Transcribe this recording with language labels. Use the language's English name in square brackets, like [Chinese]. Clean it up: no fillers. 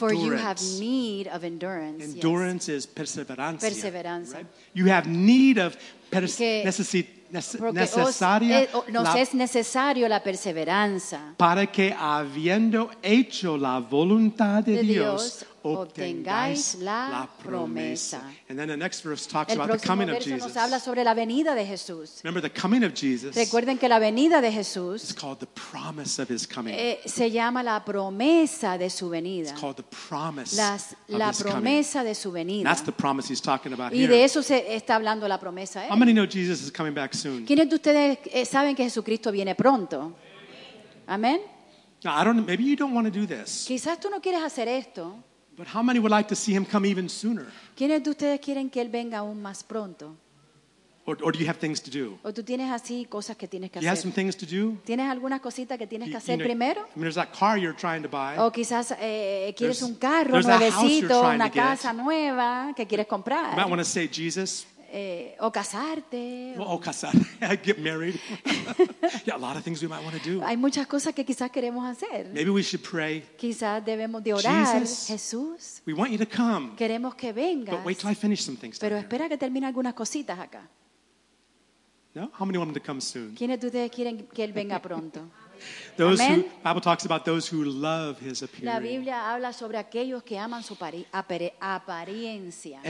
[English] For you have need of endurance. Endurance yes. is [Spanish] perseverancia. Perseverancia. [English] Right? You have need of [Spanish] necesaria. Nos es necesario la perseverancia. Para que habiendo hecho la voluntad de Dios. Obtengáis la promesa. [English] And then the next verse talks about the coming of Jesus. [Spanish] Nos habla sobre la venida de Jesús. [English] Remember the coming of Jesus. [Spanish] Recuerden que la venida de Jesús. [English] It's called the promise of his coming. [Spanish] Se llama la promesa de su venida. [English] It's called the promise. [Spanish] La promesa de su venida. [English] That's the promise he's talking about here. [Spanish] Y de eso se está hablando la promesa. [English] How many know Jesus is coming back soon? [Spanish] ¿Quiénes de ustedes saben que Jesucristo viene pronto? Amén. [English] Now, I don't. Maybe you don't want to do this. [Spanish] Quizás tú no quieres hacer esto. [English] But how many would like to see him come even sooner? [Spanish] ¿Quiénes de ustedes quieren que él venga aún más pronto? [English] Or do you have things to do? [Spanish] ¿O tú tienes así cosas que tienes que hacer? [English] You have some things to do? [Spanish] ¿Tienes algunas cositas que tienes que hacer primero? [English] I mean, there's that car you're trying to buy. [Spanish] O quizás quieres un carro nuevecito, una casa nueva que quieres comprar. [English] You might want to say Jesus. [Spanish] O casarte. [English] Well, casarte. Get married. Yeah, a lot of things we might want to do. [Spanish] Hay muchas cosas que quizás queremos hacer. [English] Maybe we should pray. [Spanish] Quizás debemos de orar. [English] Jesus, [Spanish] Jesús. [English] We want you to come. [Spanish] Queremos que vengas. [English] But wait till I finish some things. [Spanish] Pero espera que termine algunas cositas acá. [English] No? How many want him to come soon? ¿Quiénes de ustedes quieren que él venga pronto? Those Amen. Who Bible talks about those who love his appearing. [Spanish] La Biblia habla sobre aquellos que aman su apariencia.